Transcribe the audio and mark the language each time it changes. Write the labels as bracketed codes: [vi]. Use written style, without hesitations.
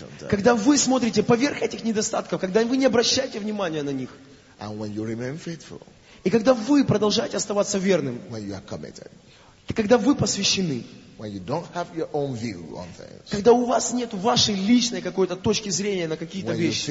[ru] Когда вы смотрите поверх этих недостатков, когда вы не обращаете внимания на них. [en] And when you remain faithful. [ru] И когда вы продолжаете оставаться верным. [en] When you are committed. [ru] Когда вы посвящены. [en] When you don't have your own view on things. [ru] Когда у вас нет вашей личной какой-то точки зрения на какие-то вещи.